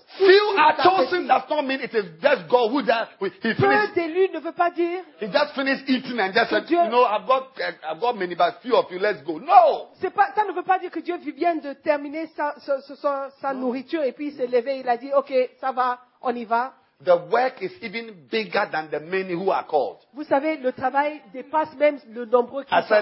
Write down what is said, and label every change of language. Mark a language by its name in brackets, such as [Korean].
[English] few are chosen does not mean it is just God who does. He finished. [French] Peu d'élus ne veut pas dire. [English] He just finished eating and just said, Dieu, you know, I've got many, but few of you, let's go. No. [French] C'est pas, ça ne veut pas dire que Dieu vient de terminer sa nourriture et puis il s'est levé, il a dit, ok, ça va, on y va. [English] The work is even bigger than the many who are called. [French] Vous savez, le travail dépasse même le nombre qui sont appelés.